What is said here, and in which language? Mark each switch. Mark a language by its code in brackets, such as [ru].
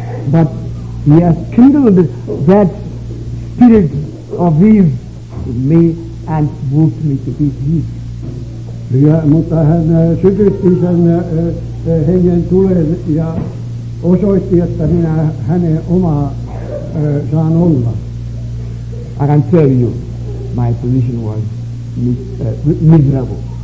[en] But he has kindled that spirit of his in me and moved me to be his. [fi] Ja, mutta hän sytytti sen hengen tulen ja osoitti, että minä hänen omaa saan olla. [en] I can tell you, my position was miserable.